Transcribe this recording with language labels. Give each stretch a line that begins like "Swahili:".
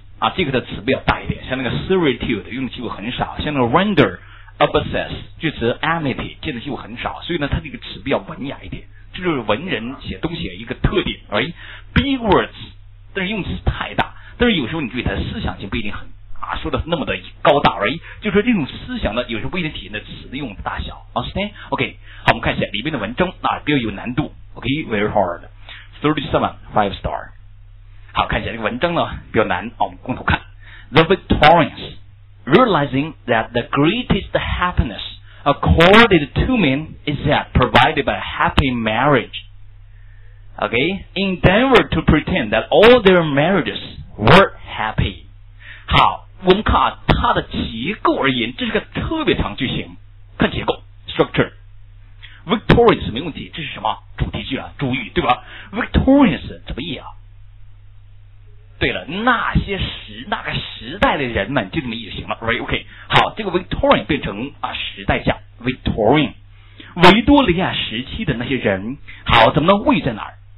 Chinese: 啊，这个的词比较大一点，像那个 servitude 用的机会很少，像那个 render obsess 句词 amity 见的机会很少，所以呢，它这个词比较文雅一点，这就是文人写东西的一个特点 ，right？
English: Big words，
Chinese: 但是用词太大，但是有时候你注意它思想性不一定很啊，说的那么的高大 ，right？就是说这种思想呢，有时候不一定体现在词的用的大小 ，understand？OK，、okay, 好，我们看一下里面的文章，啊，比较有难度 ，OK，
English: very、okay, hard，
Chinese: 37 five star。好，看一下这个文章呢比较难，我们共同看。
English: The Victorians, realizing that the greatest happiness accorded to men is that provided by a happy marriage, okay, endeavored to pretend that all their marriages were happy.
Chinese: 好，我们看啊，它的结构而言，这是个特别长句型。看结构 ，structure。Victorians 没问题，这是什么主题句啊？主语对吧 ？Victorians 怎么译啊？对了，那些时那个时代的人们就这么意思行了 ，right？OK，、okay, 好，这个 Victorian 变成啊时代下 Victorian， 维多利亚时期的那些人，好，怎么能位在哪儿？